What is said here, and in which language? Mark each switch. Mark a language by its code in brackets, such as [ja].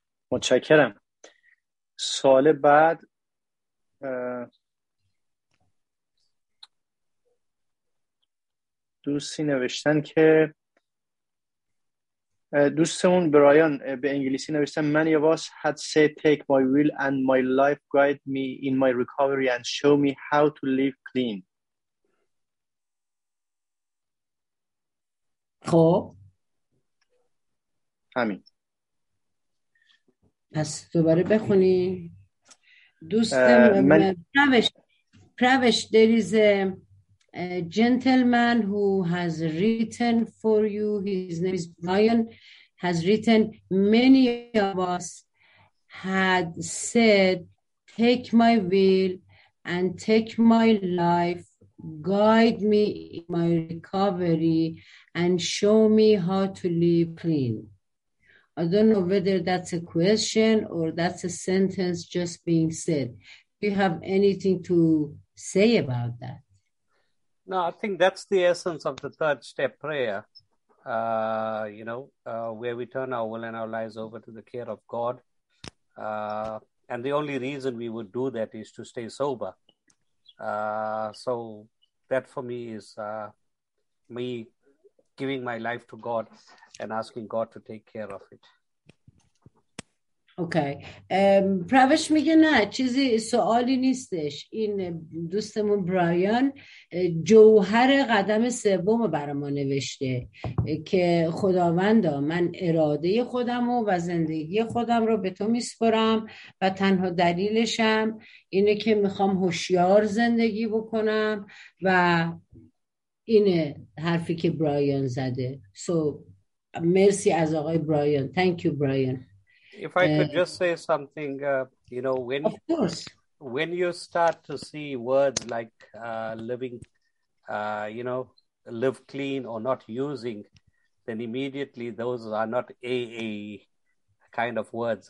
[fa] متشکرم. سوال بعد دوستی نوشتن که دوستمون برایان به انگلیسی نوشتن: [en] many of us had said take my will and my life, guide me in my recovery and show me how to live clean. [fa] خب همین، پس دوباره بخونی دوستمون. [en] پروش، there is a gentleman who has written for you, his name is Brian, has written, many of us had said, take my will and take my life, guide me in my recovery and show me how to live clean. I don't know whether that's a question or that's a sentence just being said. Do you have anything to say about that? No, I think that's the essence of the third step prayer, you know, where we turn our will and our lives over to the care of God. And the only reason we would do that is to stay sober. So that for me is me giving my life to God and asking God to take care of it. [fa] اوکی. پروش میگه نه، چیزی سوالی نیستش. این دوستمون برایان جوهر قدم سوم برام نوشته که خداوندا، من اراده خودم و زندگی خودم رو به تو میسپرم و تنها دلیلشم اینه که میخوام هوشیار زندگی بکنم، و این حرفی که برایان زده. سو مرسی از آقای برایان. [en] Thank you [fa] برایان. [en] If I could just say something, you know, when you start to see words like living, you know, live clean or not using, then immediately those are not AA kind of words.